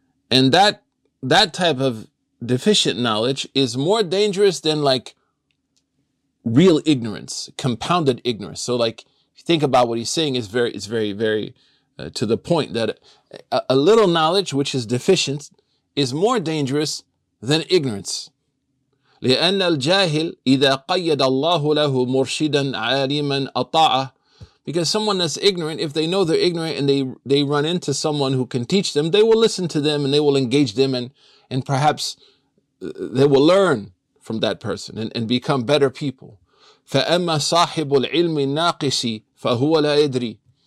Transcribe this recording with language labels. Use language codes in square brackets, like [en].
[en] And that type of deficient knowledge is more dangerous than like real ignorance, compounded ignorance. So like, think about what he's saying is very, it's very, very to the point that a little knowledge, which is deficient, is more dangerous than ignorance. [ar] لأن الجاهل إذا قيد الله له مرشدا عالما أطاعه. [en] Because someone that's ignorant, if they know they're ignorant and they run into someone who can teach them, they will listen to them and they will engage them and perhaps they will learn from that person and become better people. [ar] فَأَمَّا صَاحِبُ الْعِلْمِ النَّاقِسِ فَهُوَ لَا يَدْرِي.